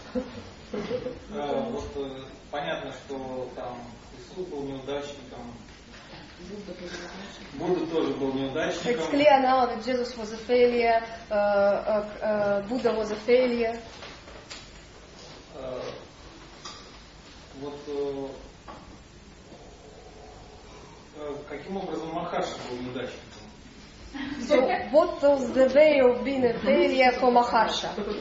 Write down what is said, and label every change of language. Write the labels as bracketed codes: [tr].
[ru] Вот понятно, что там Иисус был неудачником. Будда тоже был неудачником. [en] It's clear now that Jesus was a failure. Buddha was a failure. [ru] Вот каким образом Махарши был неудачником? [en] So, what was the way of being a failure for Maharsha?